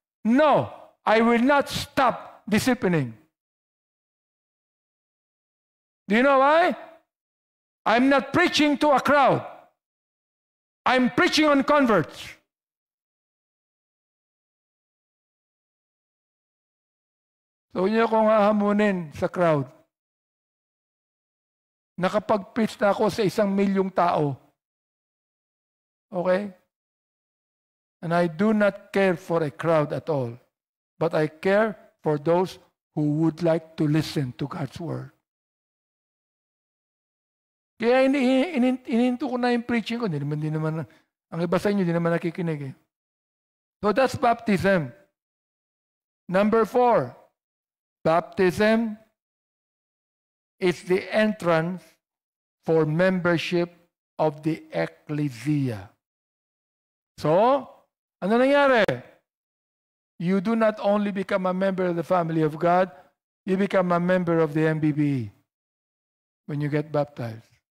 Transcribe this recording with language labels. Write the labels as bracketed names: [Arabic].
[English] No, I will not stop disciplining. Do you know why? I'm not preaching to a crowd. I'm preaching on converts. [Filipino] So, huwag niyo akong hahamunin sa crowd. Nakapag-preach na ako sa 1,000,000 tao. [English] Okay? And I do not care for a crowd at all. But I care for those who would like to listen to God's word. [Filipino] Kaya ininto ko na yung preaching ko. Di naman, ang iba sa inyo, di naman nakikinig. [English] So that's baptism. Number four, baptism is the entrance for membership of the ecclesia. So, [Filipino] ano nangyari? [English] You do not only become a member of the family of God, you become a member of the MBBE when you get baptized.